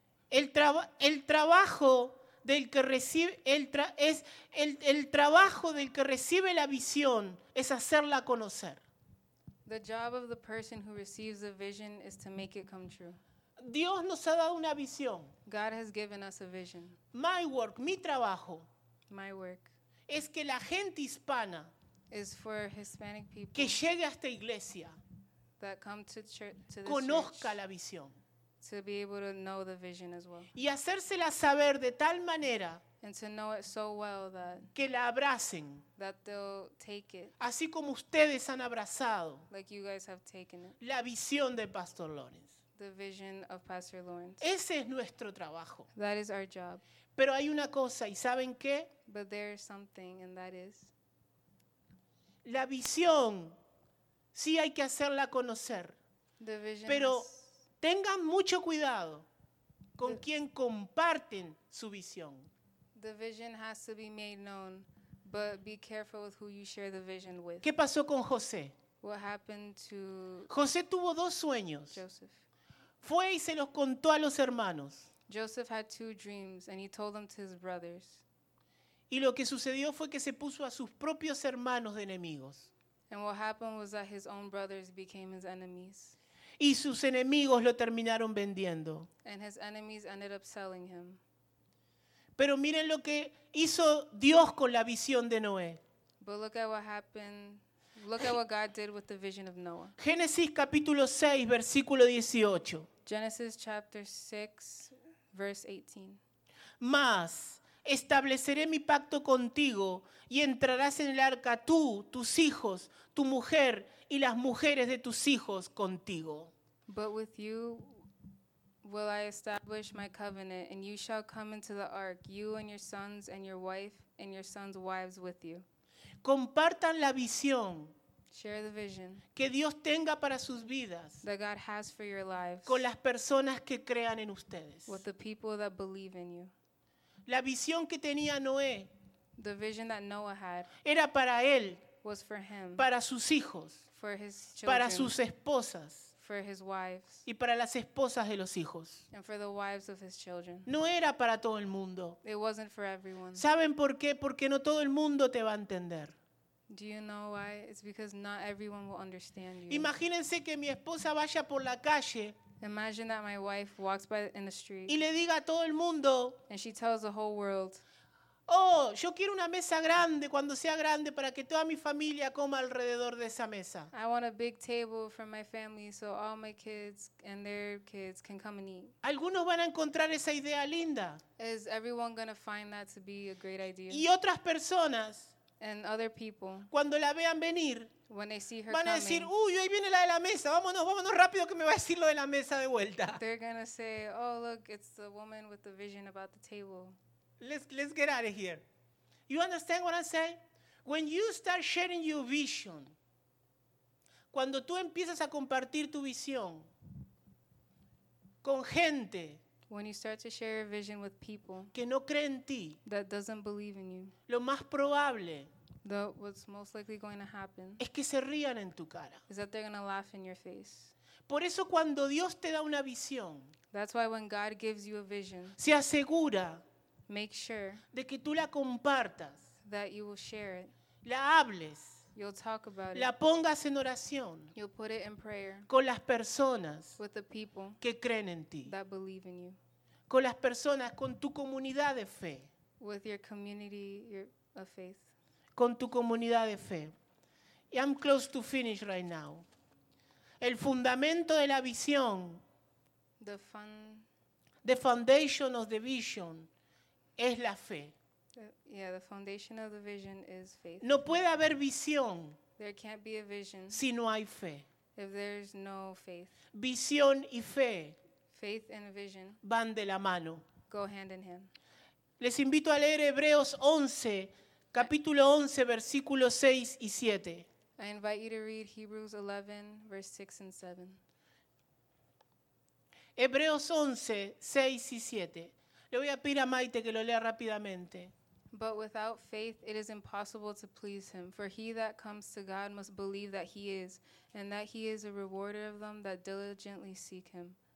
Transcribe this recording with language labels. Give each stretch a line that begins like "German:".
Spanish: El trabajo del que recibe la visión es hacerla conocer.
English: The job of the person who receives a vision is to make it come true.
Spanish: Dios nos ha dado una visión.
English: God has given us a vision. My work,
Spanish: mi trabajo.
English: My work.
Spanish: Es que la gente hispana
English: is for Hispanic people
Spanish: que llegue a esta iglesia
English: that come to church, to this
Spanish: conozca
English: church,
Spanish: la visión.
English: To be able to know the vision as well.
Spanish: Y hacérsela saber de tal manera
English: and to know it so well that
Spanish: que la abracen
English: that they'll take it
Spanish: así como ustedes han abrazado
English: like you guys have taken it.
Spanish: La visión de Pastor Lawrence.
English: The vision of Pastor Lawrence.
Spanish: Ese es nuestro trabajo.
English: That is our job.
Spanish: Pero hay una cosa, ¿y saben qué?
English: But there is something, and that is
Spanish: la visión, sí hay que hacerla conocer.
English: The vision
Spanish: pero
English: is
Spanish: Tengan mucho cuidado con quien comparten su visión.
English: The vision has to be made known, but be careful with who you share the vision with.
Spanish: ¿Qué pasó con José?
English: What happened to
Spanish: José tuvo dos sueños.
English: Joseph.
Spanish: Fue y se los contó a los hermanos.
English: Joseph had two dreams and he told them to his brothers.
Spanish: Y lo que sucedió fue que se puso a sus propios hermanos de enemigos.
English: And what happened was that his own brothers became his enemies.
Spanish: Y sus enemigos lo terminaron vendiendo.
English: And his enemies ended up selling him.
Spanish: Pero miren lo que hizo Dios con la visión de Noé.
English: But look at what happened. Look at what God did with the vision of Noah.
Spanish: Génesis capítulo 6, versículo 18.
English: Genesis chapter 6, verse 18.
Spanish: Mas estableceré mi pacto contigo y entrarás en el arca tú, tus hijos, tu mujer y las mujeres de tus hijos contigo.
English: But with you will I establish my covenant, and you shall come into the ark, you and your sons and your wife and your sons' wives with you.
Spanish: Compartan la visión.
English: Share the vision
Spanish: que Dios tenga para sus vidas.
English: That God has for your lives.
Spanish: Con las personas que crean en ustedes.
English: With the people that believe in you.
Spanish: La visión que tenía Noé.
English: The vision that Noah had.
Spanish: Era para él.
English: Was for him.
Spanish: Para sus hijos.
English: For his children.
Spanish: Para sus esposas.
English: For his wives.
Spanish: Y para las esposas de los hijos.
English: And for the wives of his children.
Spanish: No era para todo el mundo.
English: It wasn't for everyone.
Spanish: ¿Saben por qué? Porque no todo el mundo te va a entender.
English: Do you know why? It's because not everyone will understand you.
Spanish: Imagínense que mi esposa vaya por la calle.
English: Imagine that my wife walks by in the street.
Spanish: Y le diga a todo el mundo.
English: And she tells the whole world.
Spanish: Oh, yo quiero una mesa grande cuando sea grande para que toda mi familia coma alrededor de esa mesa.
English: I want a big table for my family so all my kids and their kids can come and eat.
Spanish: Algunos van a encontrar esa idea linda.
English: Is everyone going to find that to be a great idea?
Spanish: Y otras personas,
English: and other people,
Spanish: cuando la vean venir,
English: when they see her
Spanish: van a decir,
English: coming,
Spanish: uy, ahí viene la de la mesa, vámonos, vámonos rápido que me va a decir lo de la mesa de vuelta.
English: They're going to say, oh, look, it's the woman with the vision about the table. Let's get out of here. You understand what I say? When you start sharing your vision,
Spanish: cuando tú empiezas a compartir tu visión con gente,
English: when you start to share your vision with people
Spanish: que no cree en ti,
English: that doesn't believe in you,
Spanish: lo más probable,
English: what's most likely going to happen,
Spanish: es que se rían en tu cara.
English: Is that they're going to laugh in your face.
Spanish: Por eso cuando Dios te da una visión,
English: that's why when God gives you a vision,
Spanish: se asegura,
English: make sure,
Spanish: de que tú la compartas,
English: that you will share it,
Spanish: la hables,
English: you'll talk about
Spanish: la pongas en oración,
English: you'll put it in prayer,
Spanish: con las personas,
English: with the people
Spanish: que creen en ti,
English: that believe in you,
Spanish: con las personas, con tu comunidad de fe,
English: with your community of faith,
Spanish: con tu comunidad de fe.
English: I'm close to finish right now.
Spanish: El fundamento de la visión,
English: the foundation of the vision,
Spanish: es la fe.
English: Yeah, the foundation of the vision is faith.
Spanish: No puede haber visión.
English: There can't be a vision.
Spanish: Si no hay fe.
English: If there's no faith.
Spanish: Visión y fe.
English: Faith and vision.
Spanish: Van de la mano.
English: Go hand in hand.
Spanish: Les invito a leer Hebreos 11, capítulo 11, versículos 6 y 7.
English: I invite you to read Hebrews 11, verse 6 and 7.
Spanish: Hebreos 11, 6 y 7. Le voy a pedir a Maite que lo lea rápidamente.
English: But without faith it is impossible to please him. For he that comes to God must believe that he is, and that he is a rewarder of them that diligently seek him.